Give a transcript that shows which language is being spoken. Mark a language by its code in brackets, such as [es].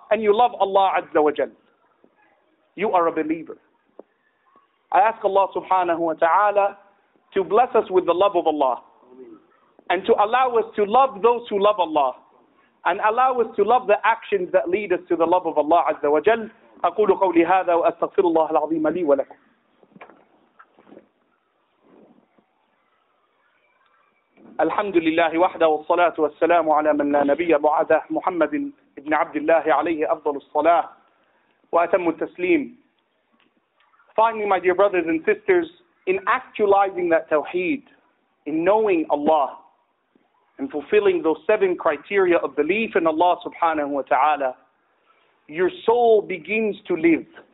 [en] And you love Allah Azza wa Jal. You are a believer. I ask Allah subhanahu wa ta'ala to bless us with the love of Allah. And to allow us to love those who love Allah. And allow us to love the actions that lead us to the love of Allah Azza wa Jal. [ar] أقول قولي هذا وأستغفر الله العظيم لي ولكم. الحمد لله وحده والصلاة والسلام على من لا نبي بعده محمد ابن عبد الله عليه أفضل الصلاة وأتم التسليم. [en] Finally, my dear brothers and sisters, in actualizing that tawheed, in knowing Allah, and fulfilling those seven criteria of belief in Allah subhanahu wa ta'ala, your soul begins to live.